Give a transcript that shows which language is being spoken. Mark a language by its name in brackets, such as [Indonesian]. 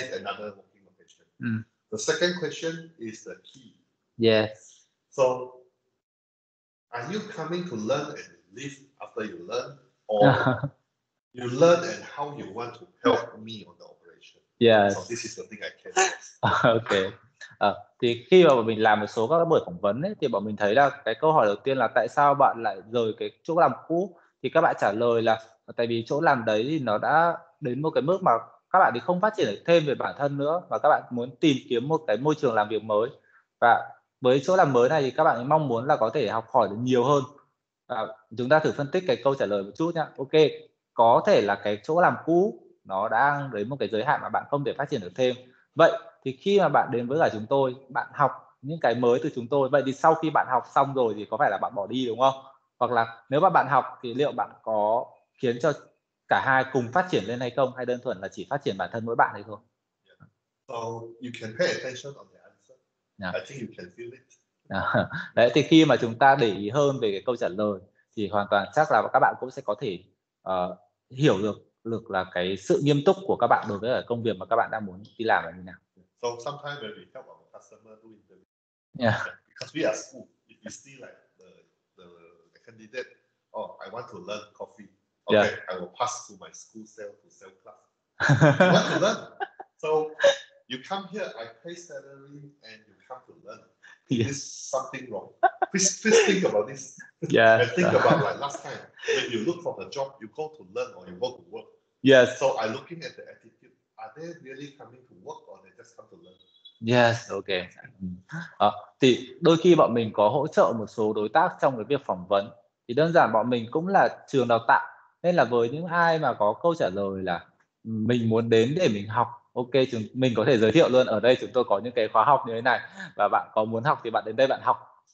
[English] You need another working location. Mm. The second question is the key. Yes. So are you coming to learn and leave after you learn, or you learn and how you want to help me on the operation? Yes. So this is the thing I can ask. Okay. [Vietnamese] Thì khi mà mình làm một số các buổi phỏng vấn ấy, thì bọn mình thấy là cái câu hỏi đầu tiên là tại sao bạn lại rời cái chỗ làm cũ, thì các bạn trả lời là tại vì chỗ làm đấy thì nó đã đến một cái mức mà các bạn thì không phát triển được thêm về bản thân nữa, và các bạn muốn tìm kiếm một cái môi trường làm việc mới, và với chỗ làm mới này thì các bạn mong muốn là có thể học hỏi được nhiều hơn. Chúng ta thử phân tích cái câu trả lời một chút nhá. Ok, có thể là cái chỗ làm cũ nó đang đến một cái giới hạn mà bạn không thể phát triển được thêm. Vậy thì khi mà bạn đến với cả chúng tôi, bạn học những cái mới từ chúng tôi, vậy thì sau khi bạn học xong rồi thì có phải là bạn bỏ đi đúng không? Hoặc là nếu mà bạn học thì liệu bạn có khiến cho cả hai cùng phát triển lên hay không, hay đơn thuần là chỉ phát triển bản thân mỗi bạn hay không? [English] Yeah. So you can pay attention on the answer. Yeah. I think you can feel it. Yeah. [Vietnamese] Đấy, thì khi mà chúng ta để ý hơn về cái câu trả lời thì hoàn toàn chắc là các bạn cũng sẽ có thể hiểu được là cái sự nghiêm túc của các bạn đối với công việc mà các bạn đang muốn đi làm là như nào. [English] So sometimes when we help our customer do interview, yeah, because we are school, if we see like the candidate, oh, I want to learn coffee, okay, yeah, I will pass to my school cell to sell class. You want to learn? So you come here, I pay salary, and you come to learn. Yeah. Is something wrong? Please think about this. Yeah. And think about like last time, when you look for the job, you go to learn or you go to work. Yes. So I'm looking at the attitude. Are they really coming to work or they just come to learn? Yes, okay. [Vietnamese] Thì đôi khi bọn mình có hỗ trợ một số đối tác trong cái việc phỏng vấn. Thì đơn giản bọn mình cũng là trường đào tạo, nên là với những ai mà có câu trả lời là mình muốn đến để mình học, ok, mình có thể giới thiệu luôn, ở đây chúng tôi có những cái khóa học như thế này, và bạn có muốn học thì bạn đến đây bạn học.